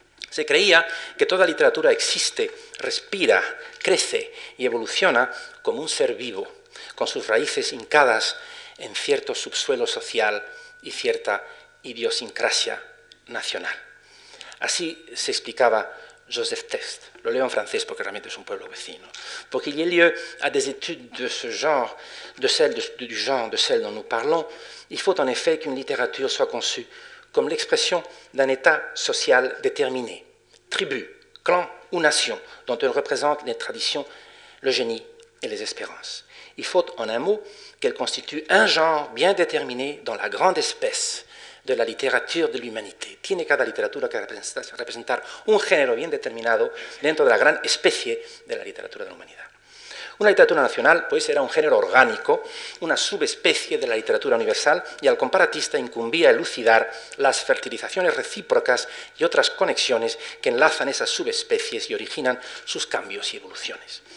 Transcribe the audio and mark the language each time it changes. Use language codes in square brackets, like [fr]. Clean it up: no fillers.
[es] Se creía que toda literatura existe, respira, crece y evoluciona como un ser vivo, con sus raíces hincadas en cierto subsuelo social y cierta idiosincrasia nacional. Así se explicaba Joseph Test. Lo leo en francés porque realmente es un pueblo vecino. [fr] Pour qu'il y ait lieu à des études de ce genre, de celle du genre de celle dont nous parlons, il faut en effet qu'une littérature soit conçue comme l'expression d'un état social déterminé, tribu, clan ou nation, dont elle représente les traditions, le génie et les espérances. Il faut en un mot qu'elle constitue un genre bien déterminé dans la grande espèce de la [es] literatura de la humanidad. Tiene cada literatura que representar un género bien determinado dentro de la gran especie de la literatura de la humanidad. Una literatura nacional, pues, era un género orgánico, una subespecie de la literatura universal, y al comparatista incumbía elucidar las fertilizaciones recíprocas y otras conexiones que enlazan esas subespecies y originan sus cambios y evoluciones.